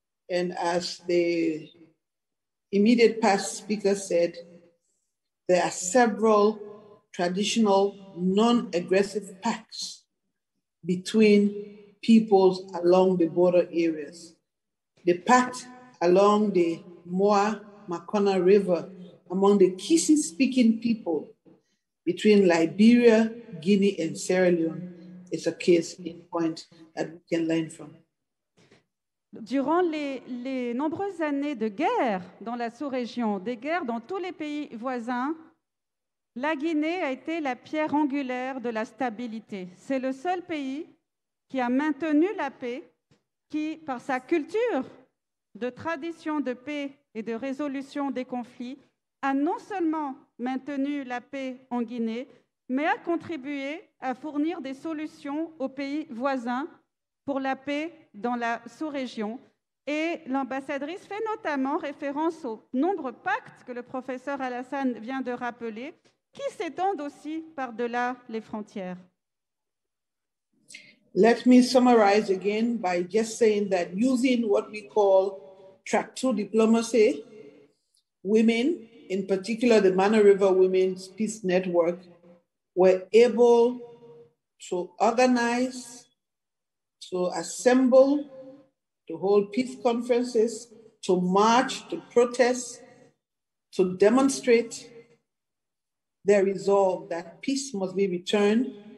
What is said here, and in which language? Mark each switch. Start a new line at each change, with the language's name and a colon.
English: And as the immediate past speaker said, there are several traditional non-aggressive pacts between peoples along the border areas. The pact along the Moa-Makona River among the Kisi-speaking people between Liberia, Guinea, and Sierra Leone is a case in point that we can learn from.
French: Durant les nombreuses années de guerre dans la sous-région, des guerres dans tous les pays voisins, la Guinée a été la pierre angulaire de la stabilité. C'est le seul pays qui a maintenu la paix, qui, par sa culture de tradition de paix et de résolution des conflits, a non seulement maintenu la paix en Guinée, mais a contribué à fournir des solutions aux pays voisins pour la paix dans la sous-région. Et l'ambassadrice fait notamment référence aux nombreux pactes que le professeur Alassane vient de rappeler, qui s'étendent aussi par-delà les frontières.
English: Let me summarize again by just saying that using what we call track two diplomacy, women, in particular the Mana River Women's Peace Network, were able to organize, to assemble, to hold peace conferences, to march, to protest, to demonstrate their resolve that peace must be returned.